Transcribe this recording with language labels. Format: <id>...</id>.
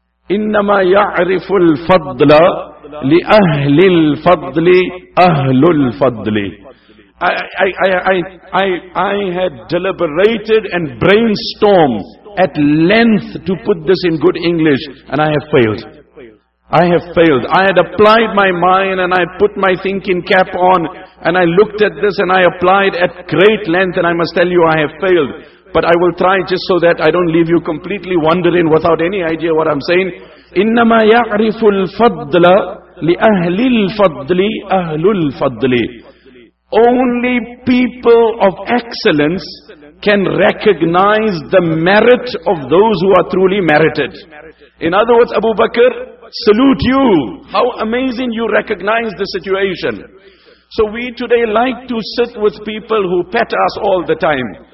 <ar>إنما يعرف الفضل لأهل الفضل أهل الفضل.</ar> <en>I had deliberated and brainstormed at length to put this in good English, and I have failed. I had applied my mind and I put my thinking cap on and I looked at this and I applied at great length, and I must tell you I have failed. But I will try just so that I don't leave you completely wondering without any idea what I'm saying.</en> <ar>إنما يعرف الفضل لأهل الفضل أهل الفضل.</ar> <en>Only people of excellence can recognize the merit of those who are truly merited. In other words, Abu Bakr, salute you. How amazing you recognize the situation. So we today like to sit with people who pet us all the time.</en>